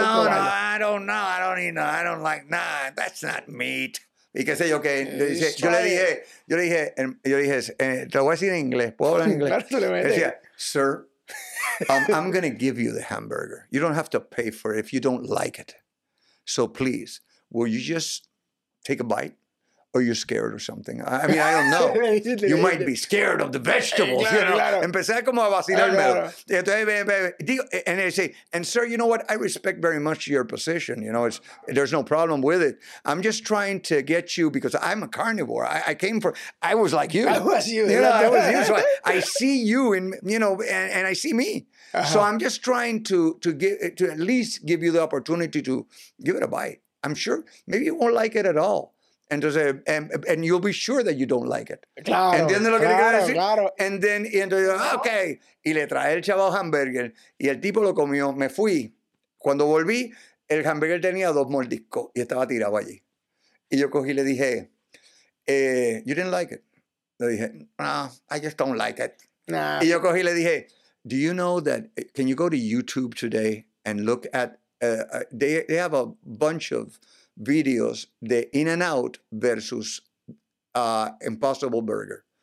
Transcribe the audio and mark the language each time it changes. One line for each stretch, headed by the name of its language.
Spanish: No, probarlo.
English: No, I don't know. I don't like that. That's not meat.
Spanish: y qué sé yo qué. Yo le dije, te lo voy a decir en inglés. ¿Puedo hablar en inglés? Claro, le metes.
English: Decía, sir, I'm going to give you the hamburger. You don't have to pay for it if you don't like it. So please, will you just take a bite? Or you're scared or something. I mean, I don't know. You might be scared of the vegetables. Claro, you know? Claro.
Spanish: Empecé como a vacilarme.
English: And they say, and sir, you know what? I respect very much your position. You know, there's no problem with it. I'm just trying to get you, because I'm a carnivore. I was like you. I was you. So I see you in, you know, and I see me. Uh-huh. So I'm just trying to at least give you the opportunity to give it a bite. I'm sure maybe you won't like it at all. And you'll be sure that you don't like it.
Spanish: Claro, ¿entiendes lo que claro, te quiero decir? Claro. Entonces, okay. Y le trae el chaval hamburger y el tipo lo comió. Me fui. Cuando volví, el hamburger tenía dos mordiscos y estaba tirado allí. Y yo cogí y le dije,
English: you didn't like it.
Spanish: Le dije, no,
English: I just don't like it. Nah.
Spanish: Y yo cogí y le dije,
English: do you know that, can you go to YouTube today and look at, they have a bunch of videos de In-N-Out versus Impossible Burger.